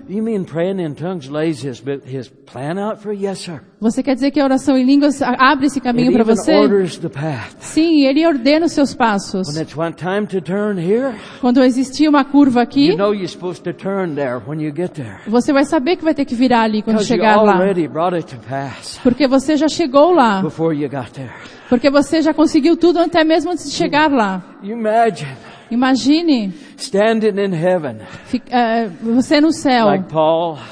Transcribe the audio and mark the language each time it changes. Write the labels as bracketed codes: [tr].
[en] You mean praying in tongues lays his plan out for you? Yes, sir. [pt] Você quer dizer que a oração em línguas abre esse caminho para você? [en] It even orders the path. [pt] Sim, ele ordena os seus passos. [en] When it's one time to turn here, [pt] quando existia uma curva aqui, [en] you know you're supposed to turn there when you get there. [pt] Você vai saber que vai ter que virar ali quando chegar lá. [en] Because you already brought it to pass. [pt] Porque você já chegou lá. [en] Before you got there. [pt] Porque você já conseguiu tudo até mesmo antes de chegar lá. [en] Imagine standing in heaven, [pt] você no céu, [en] like Paul,